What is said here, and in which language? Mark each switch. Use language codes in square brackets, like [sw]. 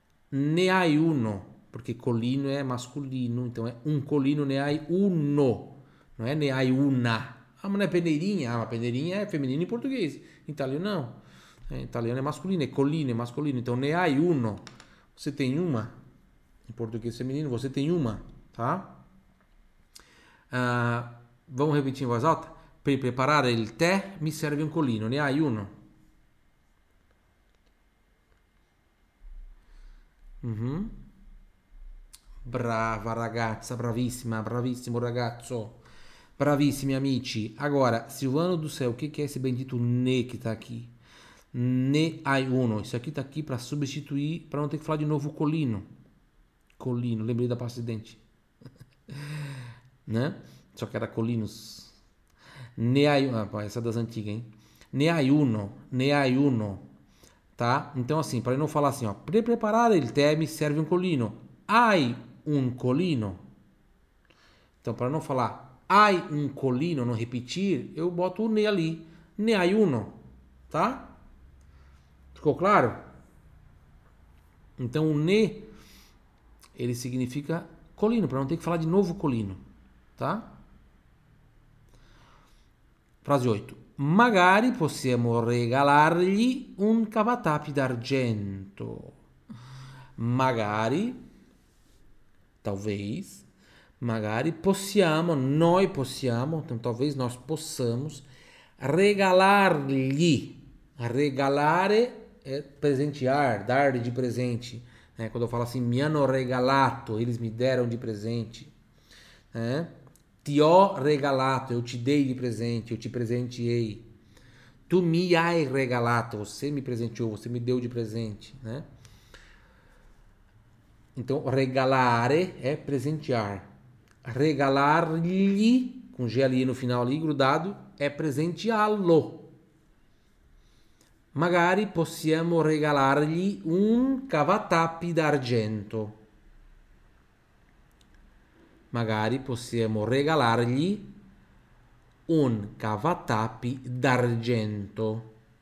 [pt] Ne hai uno, porque colino é masculino, então é un colino, [it] ne hai uno, [pt] não é ne hai una. Ah, mas não é peneirinha? Ah, mas peneirinha é feminino em português, em italiano não. Em italiano é masculino, é colino, então [it] ne hai uno. [pt] Você tem uma? Em português feminino, você tem uma, tá? Vamos repetir em voz alta? [it] Per preparare il tè, mi serve un colino, ne hai uno? Brava ragazza, bravissima, bravissimo ragazzo, bravissimi amici. [pt] Agora, Silvano do céu, o que é esse bendito ne que tá aqui? Ne hai uno. Isso aqui tá aqui para substituir, para não ter que falar de novo colino. Colino, lembrei da pasta de dente. Né? Só que era colinos. [it] Ne hai uno. [pt] Essa é das antigas, hein? Ne hai uno. Ne hai uno. Tá? Então, assim, para não falar assim, ó. [it] Pre-preparare il tè mi serve un colino. Hai un colino. [pt] Então, para não falar hai un colino, não repetir, eu boto o ne ali. Ne hai uno. Tá? Ficou claro? Então o ne, ele significa colino, para não ter que falar de novo colino, tá? Frase 8. [it] Magari possiamo regalargli un cavatappi d'argento. [pt] Magari, talvez, [it] magari possiamo, noi possiamo, [pt] então talvez nós possamos regalargli, regalare. É presentear, dar de presente. Né? Quando eu falo assim, [it] mi hanno regalato, [pt] eles me deram de presente. Né? [it] Ti ho regalato, [pt] eu te dei de presente, eu te presenteei. [it] Tu mi hai regalato, [pt] você me presenteou, você me deu de presente. Né? Então, regalare é presentear. Regalar-lhe, com G ali no final, ali grudado, é presenteá-lo. [it] Magari possiamo regalargli un cavatappi d'argento. Magari possiamo regalargli un cavatappi d'argento.